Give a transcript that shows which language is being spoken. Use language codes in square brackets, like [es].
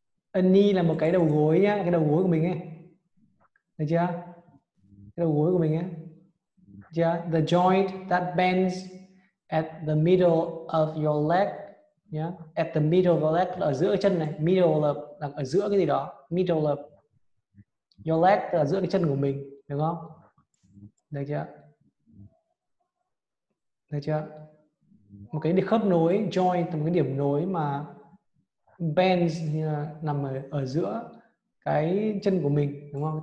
[vi] A knee là một cái đầu gối nhá, cái đầu gối của mình ấy. Được chưa? Cái đầu gối của mình ấy. [en] Yeah, the joint that bends at the middle of your leg. [vi] Yeah, [en] at the middle of your leg [vi] là ở giữa chân này. Middle là ở giữa cái gì đó. [en] Middle of your leg [vi] là ở giữa cái chân của mình, đúng không? Được chưa? Được chưa? Một cái khớp nối, joint là một cái điểm nối mà bends nằm ở giữa cái chân của mình, đúng không?